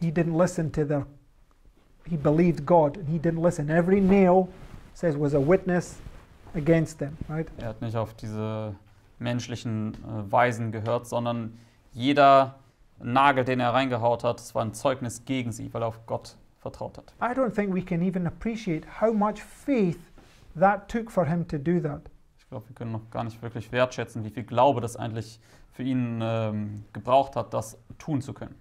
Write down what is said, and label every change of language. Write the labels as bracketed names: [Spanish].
[English] He didn't listen to their He believed God and he didn't listen. Every nail says was a witness against them, right? [German] Er hat nicht auf diese menschlichen Weisen gehört, sondern jeder Nagel, den er reingehaut hat, es war ein Zeugnis gegen sie, weil er auf Gott vertraut hat. [English] I don't think we can even appreciate how much faith that took for him to do that. [German] Ich glaube, wir können noch gar nicht wirklich wertschätzen, wie viel Glaube das eigentlich für ihn gebraucht hat, das tun zu können.